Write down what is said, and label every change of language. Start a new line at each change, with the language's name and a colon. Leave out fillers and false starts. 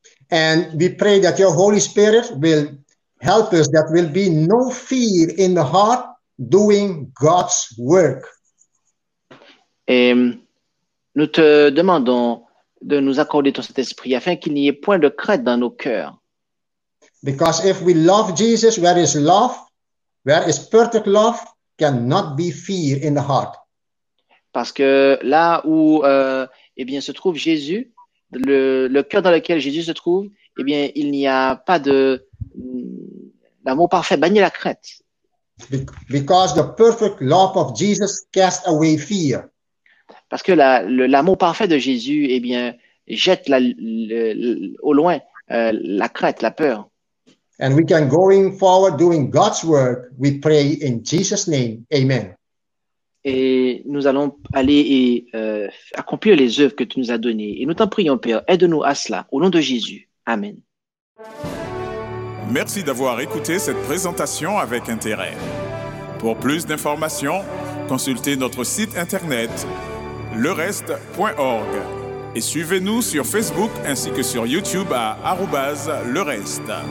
English: And we pray that your Holy Spirit will help us that will be no fear in the heart doing God's work.
French: Et nous te demandons de nous accorder ton Saint-Esprit afin qu'il n'y ait point de crainte dans nos cœurs.
English: Because if we love Jesus, where is love? Where is perfect love? Cannot be fear in the heart.
French: Parce que là où se trouve Jésus, le cœur dans lequel Jésus se trouve, eh bien, il n'y a pas de l'amour parfait, bannir la crainte.
English: Because the perfect love of Jesus cast away fear.
French: Parce que l'amour parfait de Jésus, eh bien, jette au loin la crainte, la peur.
English: And we can going forward doing God's work, we pray in Jesus' name. Amen.
French: Et nous allons aller et accomplir les œuvres que tu nous as données. Et nous t'en prions, Père, aide-nous à cela, au nom de Jésus. Amen. Merci d'avoir écouté cette présentation avec intérêt. Pour plus d'informations, consultez notre site internet lereste.org et suivez-nous sur Facebook ainsi que sur YouTube à @lereste.